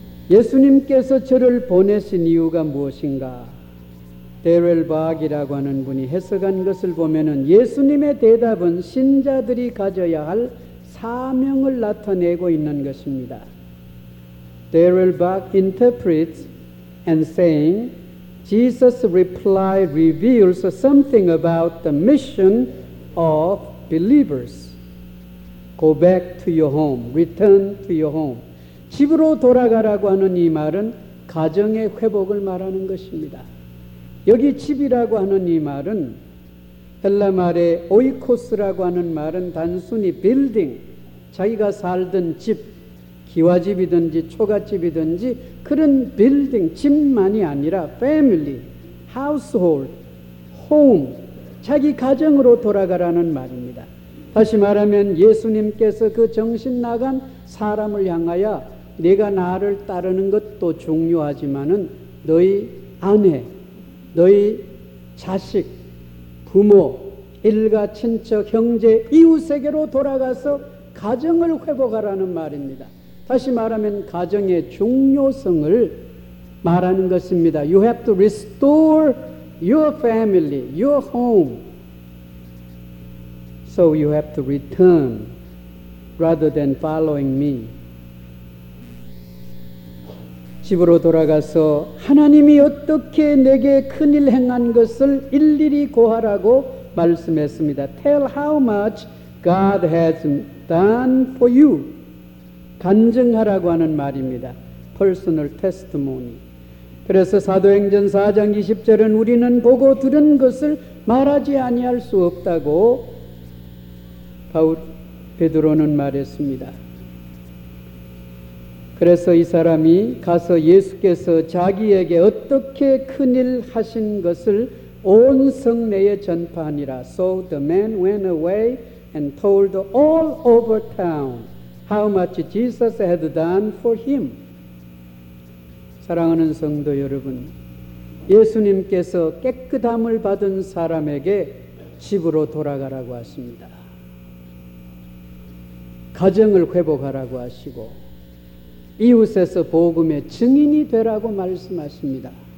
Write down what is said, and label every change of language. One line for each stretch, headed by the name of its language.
Korean: 예수님께서 저를 보내신 이유가 무엇인가? 데렐 바악이라고 하는 분이 해석한 것을 보면은 예수님의 대답은 신자들이 가져야 할 사명을 나타내고 있는 것입니다.
English: Daryl Bach interprets and saying, Jesus' reply reveals something about the mission of believers. Go back to your home. Return to your home.
Korean: 집으로 돌아가라고 하는 이 말은 가정의 회복을 말하는 것입니다. 여기 집이라고 하는 이 말은 헬라 말의 오이코스라고 하는 말은 단순히 빌딩, 자기가 살던 집, 기와집이든지 초가집이든지 그런 빌딩, 집만이 아니라
English: family, household, home,
Korean: 자기 가정으로 돌아가라는 말입니다. 다시 말하면 예수님께서 그 정신 나간 사람을 향하여 네가 나를 따르는 것도 중요하지만은 너희 아내, 너희 자식, 부모, 일가, 친척, 형제, 이웃에게로 돌아가서 가정을 회복하라는 말입니다. 다시 말하면 가정의 중요성을 말하는 것입니다.
English: You have to restore your family, your home. So you have to return rather than following me.
Korean: 집으로 돌아가서 하나님이 어떻게 내게 큰일 행한 것을 일일이 고하라고 말씀했습니다.
English: Tell how much God has done for you.
Korean: 간증하라고 하는 말입니다.
English: Personal testimony.
Korean: 그래서 사도행전 4장 20절은 우리는 보고 들은 것을 말하지 아니할 수 없다고 베드로는 말했습니다. 그래서 이 사람이 가서 예수께서 자기에게 어떻게 큰일 하신 것을 온 성내에 전파하니라.
English: So the man went away and told all over town how much Jesus had done for him.
Korean: 사랑하는 성도 여러분, 예수님께서 깨끗함을 받은 사람에게 집으로 돌아가라고 하십니다. 가정을 회복하라고 하시고 이웃에서 복음의 증인이 되라고 말씀하십니다.